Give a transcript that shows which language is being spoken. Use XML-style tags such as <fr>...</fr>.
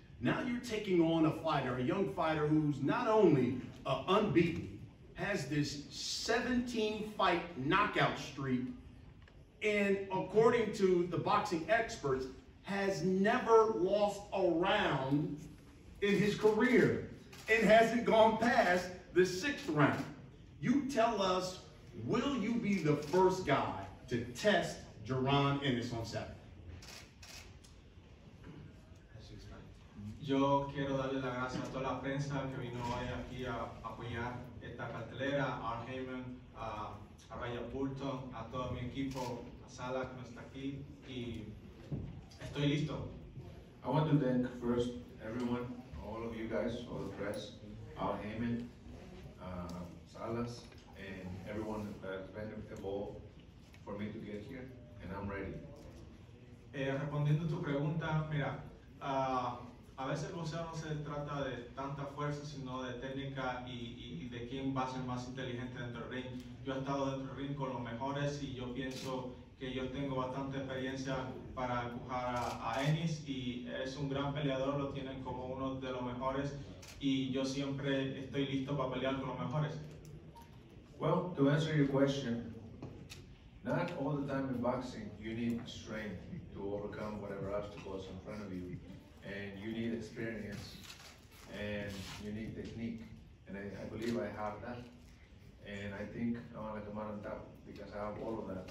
<en>Now you're taking on a fighter, a young fighter who's not only unbeaten, has this 17 fight knockout streak, and according to the boxing experts, has never lost a round in his career and hasn't gone past the 6th round. You tell us, will you be the first guy to test Jaron Ennis on Saturday?</en> <es>Yo quiero darle las gracias a toda la prensa que vino hoy aquí a apoyar esta cartelera, a Art Heyman, a Raya Burton, a todo mi equipo, a Sala que no está aquí, y estoy listo.</es> <en>I want to thank first everyone, all of you guys, all the press, Al Heyman, Salas, and everyone that's been involved for me to get here, and I'm ready.</en> <es>Respondiendo a tu pregunta, mira, a veces el boxeo no se trata de tanta fuerza, sino de técnica y de quién va a ser más inteligente dentro del ring. Yo he estado dentro del ring con los mejores y yo pienso que yo tengo bastante experiencia para empujar a Ennis, y es un gran peleador, lo tienen como uno de los mejores, y yo siempre estoy listo para pelear con los mejores.</es> <en>Well, to answer your question, not all the time in boxing you need strength to overcome whatever obstacles in front of you, and you need experience and you need technique, and I believe I have that, and I think I'm like a man on top because I have all of that.</en>